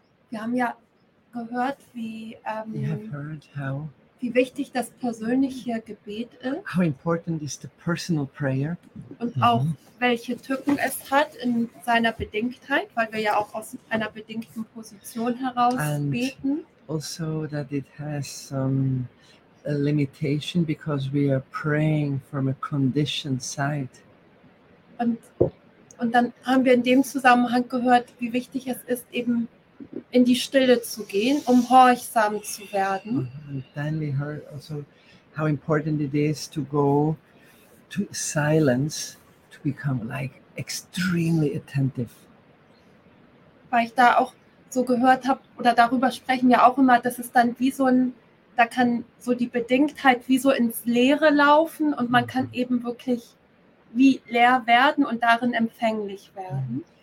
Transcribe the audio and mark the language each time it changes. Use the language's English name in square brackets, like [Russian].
[German] Wir haben ja gehört, wie wichtig das persönliche Gebet ist. [English] How important is the personal prayer? [German] Und auch welche Tücken es hat in seiner Bedingtheit, weil wir ja auch aus einer bedingten Position heraus [English] and [German] beten. [English] Also that it has a limitation because we are praying from a conditioned side. [German] Und dann haben wir in dem Zusammenhang gehört, wie wichtig es ist, eben in die Stille zu gehen, um horchsam zu werden. [English] And then we heard also how important it is to go to silence, to become like extremely attentive. [German] Weil ich da auch so gehört habe, oder darüber sprechen wir auch immer, dass es dann wie so ein, da kann so die Bedingtheit wie so ins Leere laufen und man kann eben wirklich wie leer werden und darin empfänglich werden.